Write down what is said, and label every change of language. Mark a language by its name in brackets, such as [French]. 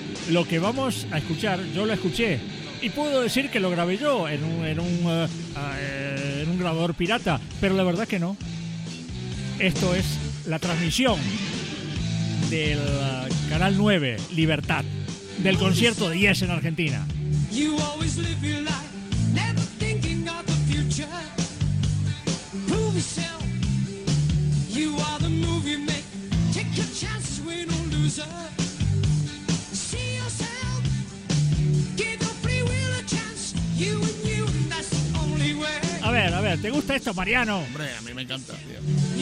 [Spanish] Lo que vamos a escuchar, yo lo escuché. Y puedo decir que lo grabé yo en un grabador pirata. Pero la verdad es que no. Esto es la transmisión del Canal 9, Libertad, del concierto de Yes en Argentina. [English] You always live your life, never thinking of the future. Prove yourself, you are the movie maker. Take your chances, win or lose. See yourself, give your free will a chance. You and you, and that's the only way. [Spanish] A ver, ¿te gusta esto, Mariano? Hombre, a mí me encanta, tío.